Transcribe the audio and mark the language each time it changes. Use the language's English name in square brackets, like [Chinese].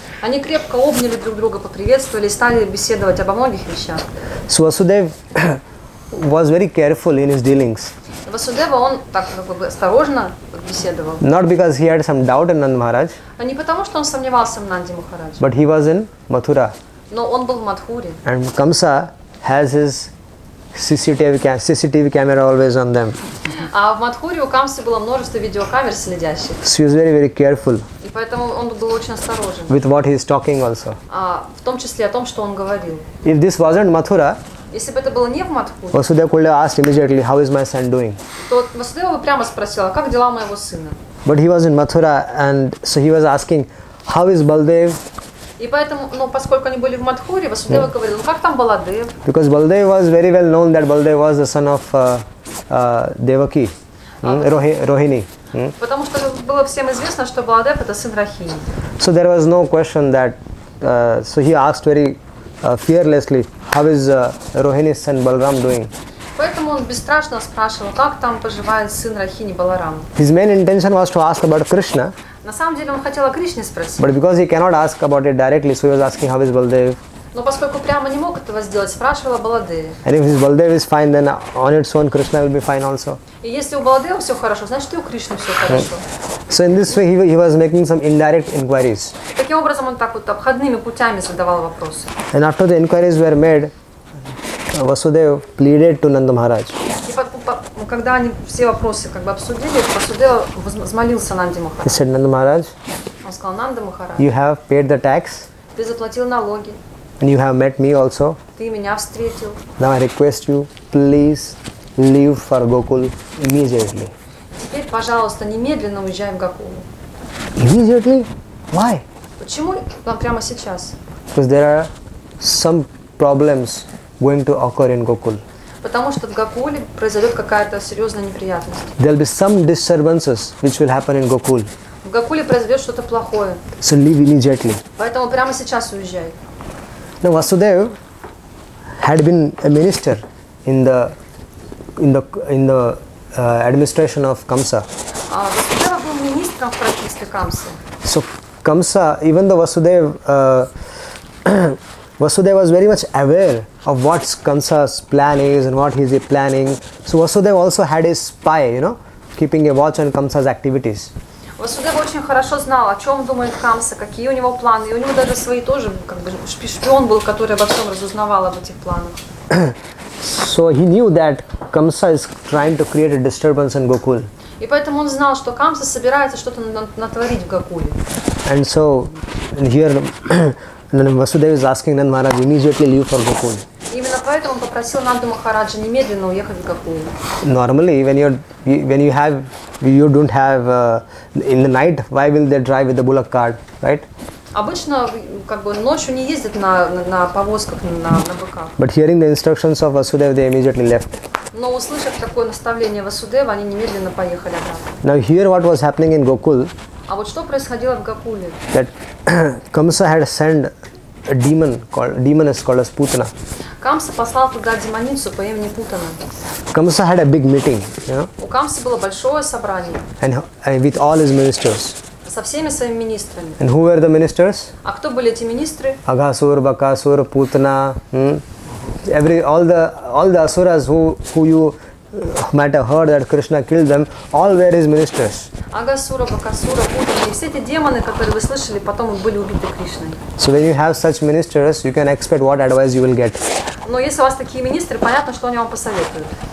[Russian] Они крепко обняли друг друга, поприветствовали, стали беседовать обо многих вещах. [English] So Vasudev was very careful in his dealings. [Russian] Vasudeva, он так осторожно беседовал. [English] Not because he had some doubt in Nanda Maharaj. [Russian] А не потому, что он сомневался в Нанде Махарадже. [English] But he was in Mathura. [Russian] Но он был в Мадхуре. [English] And Kamsa has his CCTV camera always on them. [Russian] А в Мадхуре у Камсы было множество видеокамер следящих. [English] So he was very very careful. [Russian] И поэтому он был очень осторожен. [English] With what he is talking also. [Russian] А в том числе о том, что он говорил. [English] If this wasn't Mathura. [Russian] Если бы это было не в Мадхуре. [English] Vasudeva could have asked immediately, how is my son doing? [Russian] То Vasudeva бы прямо спросил, а как дела моего сына? [English] But he was in Mathura, and so he was asking, how is Baldev? [Russian] И поэтому, ну поскольку они были в Мадхуре, Vasudeva говорил, ну как там Баладев? [English] Because Baldev was very well known that Baldev was the son of Devaki, Rohini. [Russian] Потому что было всем известно, что Баладев это сын Рахини. [English] So there was no question that, so he asked very fearlessly, how is Rohini's son Balram doing? [Russian] Поэтому он бесстрашно спрашивал, как там поживает сын Рахини Баларам. [English] His main intention was to ask about Krishna. [Russian] На самом деле он хотел о Кришне спросить. [English] But because he cannot ask about it directly, so he was asking how is Baldev. [Russian] Но поскольку прямо не мог этого сделать, спрашивал о Баладеве. [English] And if his Baldev is fine, then on its own Krishna will be fine also. [Russian] И если у Баладева все хорошо, значит и у Кришны все хорошо. [English] Right. So in this way he was making some indirect inquiries. [Russian] Таким образом он так вот обходными путями задавал вопросы. [English] And after the inquiries were made, Vasudev pleaded to Nanda Maharaj. [Russian] Когда они все вопросы как бы обсудили, Vasudeva возмолился Нанде Махарадже. [English] He said, Nanda Maharaj. [Russian] Он сказал, Нанда Махарадж. [English] You have paid the tax. [Russian] Ты заплатил налоги. [English] And you have met me also. [Russian] Ты меня встретил. [English] Now I request you, please leave for Gokul immediately. [Russian] Теперь, пожалуйста, немедленно уезжаем в Гокулу. [English] Immediately? Why? [Russian] Почему нам прямо сейчас? [English] Because there are some problems going to occur in Gokul. [Russian] Потому что в Гокуле произойдет какая-то серьезная неприятность. [English] There'll be some disturbances which will happen in Gokul. [Russian] В Гокуле произойдет что-то плохое. [English] So leave immediately. [Russian] Поэтому прямо сейчас уезжай. [English] Now Vasudev had been a minister in the administration of Kamsa. [Russian] Vasudev был министром в правительстве Камсы. [English] So Kamsa, even though Vasudev was very much aware of what Kamsa's plan is and what he is planning. So Vasudev also had his spy, you know, keeping a watch on Kamsa's activities. [Russian] Vasudev очень хорошо знал, о чем думает Камса, какие у него планы, и у него даже свои тоже, как бы, шпион был, который обо всем разузнавал об этих планах. [English] So he knew that Kamsa is trying to create a disturbance in Gokul. [Russian] И поэтому он знал, что Камса собирается что-то натворить в Гокуле. [English] And so here Then Vasudev is asking Nand Maharaj immediately leave for Gokul. [Russian] Именно поэтому он попросил Нанду Махараджа немедленно уехать в Гокул. [English] Normally, in the night, why will they drive with the bullock cart, right? [Russian] Обычно, как бы, ночью не ездят на повозках, на быках. [English] But hearing the instructions of Vasudev, they immediately left. [Russian] Но услышав такое наставление Vasudeva, они немедленно поехали обратно. [English] Now here, what was happening in Gokul? [Russian] А вот что происходило в Гокуле? [English] That Kamsa had sent a demon called as Putana. [Russian] Камса послал туда демоницу по имени Путана. [English] Kamsa had a big meeting, you know. [Russian] У Камсы было большое собрание. [English] And with all his ministers. [Russian] Со всеми своими министрами. [English] And who were the ministers? [Russian] А кто были эти министры? [English] Агасур, Бакасур, Путана, all the асурас who might have heard that Krishna killed them, all were his ministers. [Russian] Агасура, Бакасура, Путана, и все эти демоны, которые вы слышали, потом были убиты Кришной. [English] So when you have such ministers, you can expect what advice you will get. Но если у вас такие министры, понятно, что они вам посоветуют.